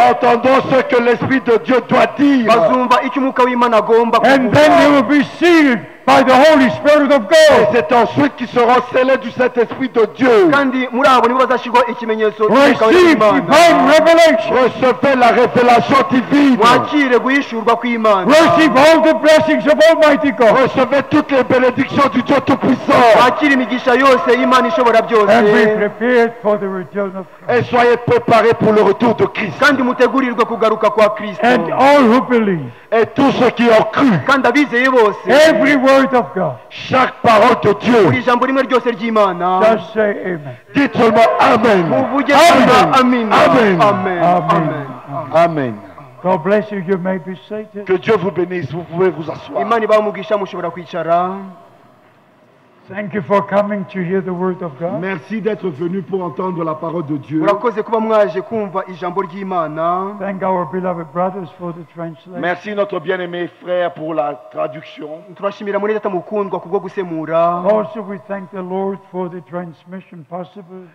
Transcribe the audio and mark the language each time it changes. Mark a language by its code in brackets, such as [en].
[fr] Entendons ce que l'Esprit de Dieu doit dire. [en] And then they will be sealed by the Holy Spirit of God. [fr] Et c'est ensuite qu'ils seront scellés du Saint-Esprit de Dieu. [en] Receive divine revelation. [fr] Recevez la révélation divine. [en] Receive all the blessings of Almighty God. [fr] Recevez toutes les bénédictions du Dieu Tout-Puissant. [en] And be prepared for the return of Christ. [fr] Et soyez préparés pour le retour de Christ. [en] And all who believe. [fr] Et tous ceux qui ont cru. [en] Everyone. word of God. [fr] Chaque parole de Dieu. [rw] Buri jambo rimwe ryose ry'Imana. [en] Just say amen. [fr] Dites seulement amen. Amen. Amen. Amen. Amen. Amen. Amen. [en] God bless you. You may be seated. [fr] Que Dieu vous bénisse. Vous pouvez vous asseoir. [rw] Imana iba umugisha mushobora kwicara. [en] Thank you for coming to hear the word of God. [fr] Merci d'être venu pour entendre la parole de Dieu. [rw] Urakoze kuba mwaje kumva ijambo ry'Imana. [en] Thank our beloved brothers for the translation. [fr] Merci notre bien-aimé frère pour la traduction. [rw] Turashimira muri data mukundwa kubwo gusemura. [en] Also we thank the Lord for the transmission possible.